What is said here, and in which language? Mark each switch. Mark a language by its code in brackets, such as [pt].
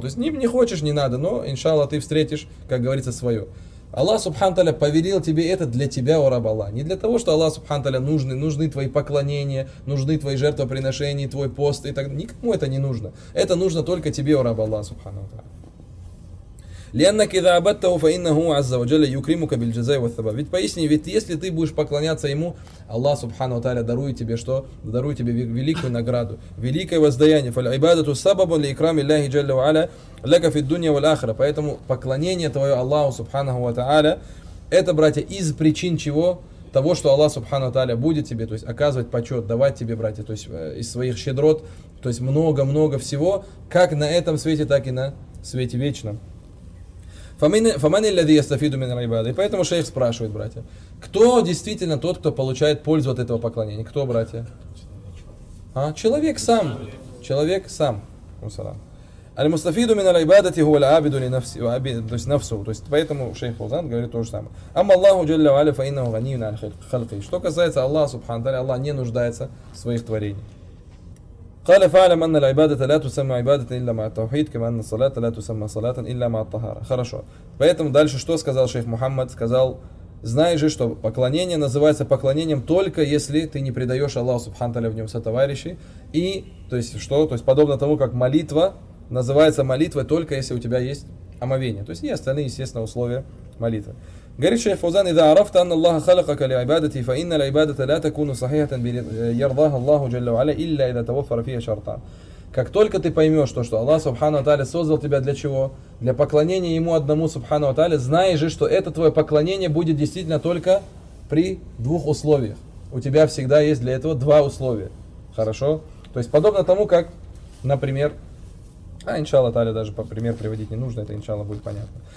[ru] То есть не хочешь, не надо, но иншаллах ты встретишь, как говорится, свое. Аллах Субхану Тааля повелел тебе это для тебя, о раб Аллах. Не для того, что Аллах Субхану Тааля нужны твои поклонения, нужны твои жертвоприношения, твой пост и так далее. Никому это не нужно. Это нужно только тебе, о раб Аллах Субхану Тааля. [ar] لأنك إذا عبدته فإنه عز وجل يكرمك بالجزاء والثواب. [ru] Ведь поясни, ведь если ты будешь поклоняться ему, Аллах Субхану ва Тааля дарует тебе что? Дарует тебе великую награду, великое воздаяние. [ar] فالعباده سبب لإكرام الله جل وعلا لك في الدنيا والآخرة. [ru] Поэтому поклонение твое Аллаху Субхану ва Тааля, это, братья, из причин чего? Того, что Аллах Субхану ва Тааля будет тебе, то есть оказывать почет, давать тебе, братья, то есть из своих щедрот, то есть много-много всего, как на этом свете, так и на свете вечном. [ar] Фаман иллязи ястафиду мин аль-ибада. [ru] И поэтому шейх спрашивает, братья, кто действительно тот, кто получает пользу от этого поклонения? Кто, братья? А? Человек сам. Человек сам. [ar] Аль-мустафиду мин аль-ибадати хуа аль-абиду ли нафсу. [ru] То есть поэтому шейх Фаузан говорит то же самое. [ar] Амма Аллаху джалля ва аля фа иннаху ганиюн аль-халки. [ru] Что касается Аллаха, субхану таля, Аллах не нуждается в своих творениях. [ar] قال فاعلم أن العبادة لا تسمى عبادة إلا مع التوحيد كما أن الصلاة لا تسمى صلاة إلا مع الطهارة. [ru] Хорошо. Поэтому дальше что сказал шейх Мухаммад? Сказал, знай же, что поклонение называется поклонением только если ты не предаешь Аллаху Субхану Таля в нем сотоварищей. И, то есть что? То есть подобно тому, как молитва называется молитвой только если у тебя есть омовение. То есть и остальные, естественно, условия молитвы. Говорит шейх Фаузан, [ar] إذا عرفت أن الله خلقك لعبادته فإن العبادة لا تكون صحيحة يرضاها الله جل وعلا إلا إذا توفر فيها شرطا. [ru] Как только ты поймешь то, что Аллах Субхану Таля создал тебя для чего? Для поклонения Ему одному Субхану Таля, знаешь же, что это твое поклонение будет действительно только при двух условиях. У тебя всегда есть для этого два условия. Хорошо? То есть подобно тому, как, например, а иншалла таля даже по пример приводить не нужно, это иншалла будет понятно.